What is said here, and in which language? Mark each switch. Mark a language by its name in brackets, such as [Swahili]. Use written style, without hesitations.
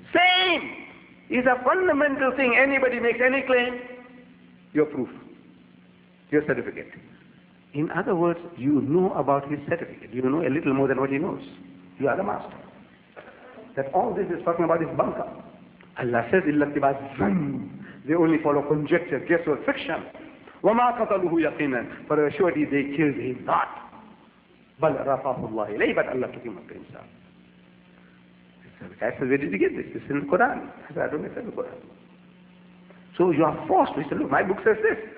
[English] Same! It's a fundamental thing. Anybody makes any claim, your proof, your certificate. In other words, you know about his certificate. You know a little more than what he knows. You are the master. That all this is talking about is bunka. Allah says, [Arabic] إِلَّا اتِّبَعَ الظَّنِّ. [English] They only follow conjecture, guesswork, fiction. [Arabic] وَمَا قَتَلُهُ يَقِينًا. [English] For a surety, they killed him not. [Arabic] بَلْ رَفَعَهُ اللَّهِ إِلَيْهِ. [English] But Allah took him up to himself. So the guy says, where did you get this? This is in the Quran. I said, I don't know if it's in the Quran. So you are forced. He said, look, my book says this.